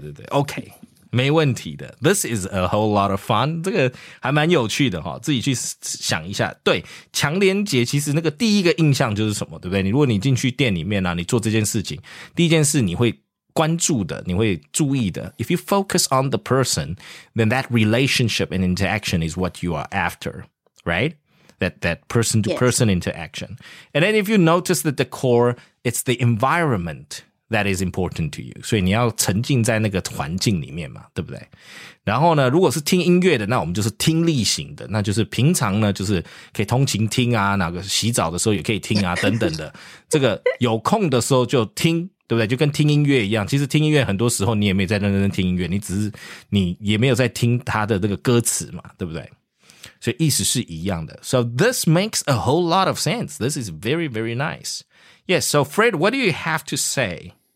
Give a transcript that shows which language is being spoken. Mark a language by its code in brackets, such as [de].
[zh] 对对 ，OK， 没问题的。 [en] This is a whole lot of fun， [zh] 这个还蛮有趣的哈，自己去想一下。对，强连结其实那个第一个印象就是什么，对不对？你如果你进去店里面啊，你做这件事情，第一件事你会关注的，你会注意的。 [en] If you focus on the person, then that relationship and interaction is what you are after, right? That person to person interaction. And then if you notice the decor, it's the environment. That is important to you. [zh] 所以你要沉浸在那个环境里面嘛，对不对？然后呢，如果是听音乐的，那我们就是听力型的，那就是平常呢，就是可以通勤听啊，哪个洗澡的时候也可以听啊，等等的。这个有空的时候就听，对不对？就跟听音乐一样。其实听音乐很多时候你也没在认真听音乐，你只是你也没有在听它的那个歌词嘛，对不对？所以意思是一样的。 [en] So this makes a whole lot of sense. This is very, very nice. Yes, so Fred, what do you have to say?